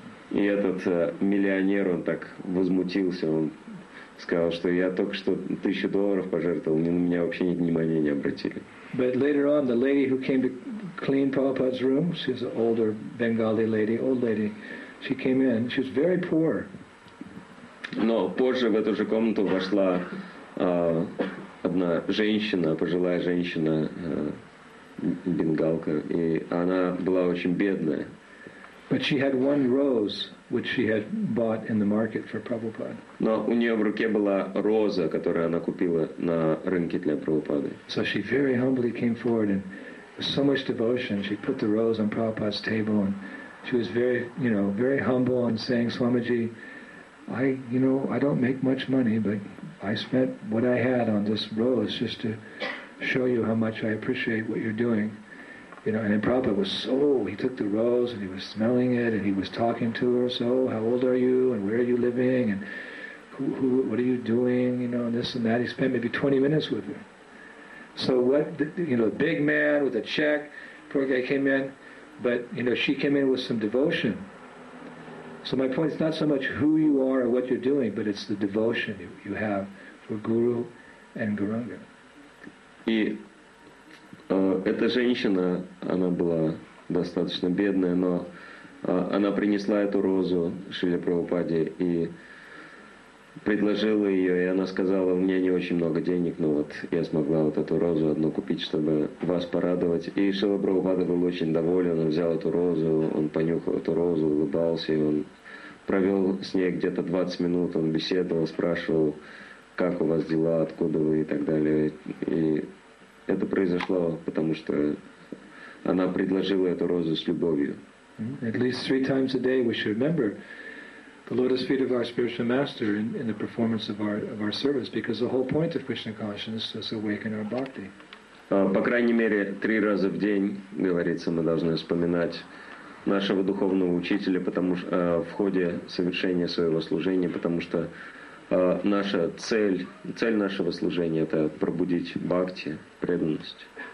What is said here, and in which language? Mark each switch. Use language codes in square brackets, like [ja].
[ru] И этот миллионер, он так возмутился, он сказал, что я только что $1,000 пожертвовал, на меня вообще внимания не обратили. [en] But later on, the lady who came to clean Prabhupada's room, she's an older Bengali lady, old lady, she came in, she was very poor. [ru] Но позже в эту же комнату вошла одна женщина, пожилая женщина, бенгалка, и она была очень бедная. [en] But she had one rose, which she had bought in the market for Prabhupada. [ru] Но у нее в руке была роза, которую она купила на рынке для Прабхупады. [en] So she very humbly came forward, and with so much devotion, she put the rose on Prabhupada's table, and she was very, you know, very humble and saying, Swamiji, I don't make much money, but I spent what I had on this rose just to show you how much I appreciate what you're doing. You know, and then Prabhupada was so, he took the rose and he was smelling it and he was talking to her, so how old are you and where are you living and who what are you doing, you know, and this and that. He spent maybe 20 minutes with her. So what, you know, a big man with a check, poor guy came in, but, you know, she came in with some devotion. So my point is not so much who you are or what you're doing, but it's the devotion you have for Guru and Gauranga. [ru] И эта женщина, она была достаточно бедная, но она принесла эту розу Шриле Прабхупаде, и предложил ее, и она сказала, у меня не очень много денег, но вот я смогла вот эту розу одну купить, чтобы вас порадовать. И Шрила Прабхупада был очень доволен, он взял эту розу, он понюхал эту розу, улыбался, и он провел с ней где-то 20 минут, он беседовал, спрашивал, как у вас дела, откуда вы и так далее. И это произошло, потому что она предложила эту розу с любовью. [en] At least three times a day we should remember the lotus feet of our spiritual master in the performance of our service, because the whole point of Krishna consciousness is to awaken our bhakti. [ru] По крайней мере, три раза в день, говорится, мы должны вспоминать нашего духовного учителя, потому что в ходе совершения своего служения, потому что наша цель, цель нашего служения это пробудить бхакти, преданность.